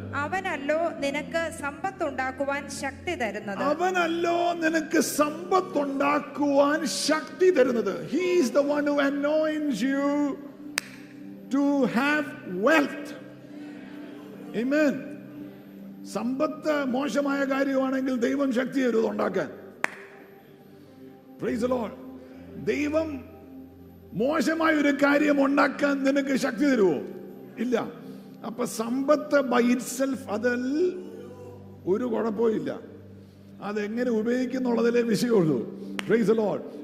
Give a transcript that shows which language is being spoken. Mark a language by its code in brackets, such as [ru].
[ml] അവനല്ലോ നിനക്ക് സമ്പത്ത് ഉണ്ടാക്കുവാൻ ശക്തി തരുന്നത്. അവനല്ലോ നിനക്ക് സമ്പത്ത് ഉണ്ടാക്കുവാൻ ശക്തി തരുന്നത്. [en] He is the one who anoints you to have wealth. Amen. [ml] സമ്പത്ത് മോശമായ കാര്യമാണെങ്കിൽ ദൈവം ശക്തി തരും ഉണ്ടാക്കാൻ. [en] Praise the Lord. [ml] ദൈവം മോശമായ ഒരു കാര്യം ഉണ്ടാക്കാൻ നിനക്ക് ശക്തി തരുമോ? ഇല്ല. അപ്പൊ സമ്പത്ത് [en] by itself [ml] അതിൽ ഒരു കുഴപ്പമില്ല, അതെങ്ങനെ ഉപയോഗിക്കുന്നുള്ളതിലേ വിഷയമുള്ളൂ. [en] Praise the Lord.